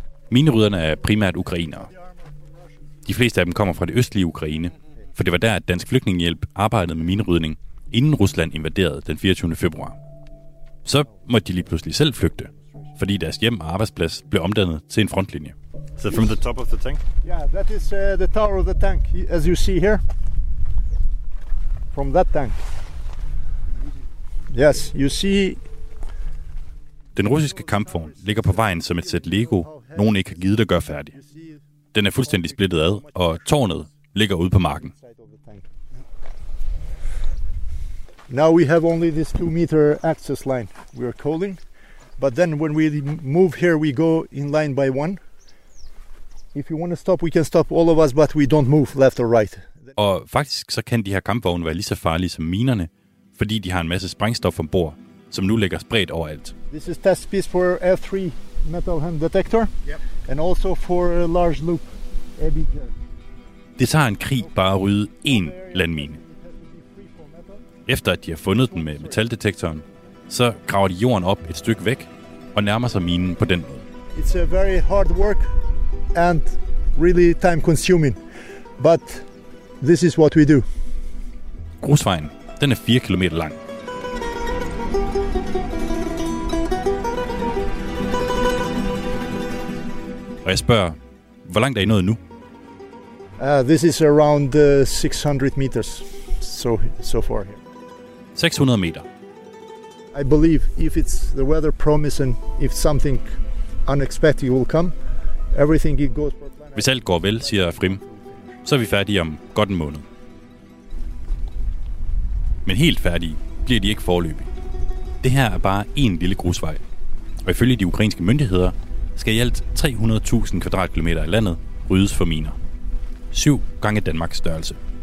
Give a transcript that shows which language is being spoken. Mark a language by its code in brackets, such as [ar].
[da] Minerydderne er primært ukrainere. De fleste af dem kommer fra det østlige Ukraine, for det var der, at Dansk Flygtningehjælp arbejdede med minerydning, inden Rusland invaderede den 24. februar. Så måtte de lige pludselig selv flygte, fordi deres hjem og arbejdsplads blev omdannet til en frontlinje. [en] So from the top of the tank? Yeah, that is the tower of the tank, as you see here. From that tank. Yes, you see. [da] Den russiske kampvogn ligger på vejen som et sæt Lego, nogen ikke har givet at gøre færdig. Den er fuldstændig splittet ad, og tårnet ligger ude på marken. [en] Now we have only this 2 meter access line we are calling, but then when we move here we go in line by one. If you want to stop, we can stop all of us, but we don't move left or right. [da] Og faktisk så kan de her kampvogne være lige så farlige som minerne, fordi de har en masse sprængstof ombord, som nu ligger spredt overalt. [en] This is test piece for F3 metal hand detector. Yep. And also for a large loop. [da] Det tager en krig bare at rydde én landmine. Efter at de har fundet den med metaldetektoren, så graver de jorden op et stykke væk og nærmer sig minen på den måde. [en] It's a very hard work and really time consuming. But this is what we do. [da] Grusvejen, den er 4 kilometer lang. Og jeg spørger, hvor langt er I nået nu? [en] This is around 600 meters so far here. [da] 600 meter. [en] I believe if it's the weather promising, if something unexpected will come, everything it goes for plan. [da] Hvis alt går vel, siger Frim, så er vi færdige om godt en måned. Men helt færdige bliver de ikke foreløbig. Det her er bare én lille grusvej. Og ifølge de ukrainske myndigheder skal i alt 300.000 kvadratkilometer af landet ryddes for miner. 7 gange Danmarks størrelse.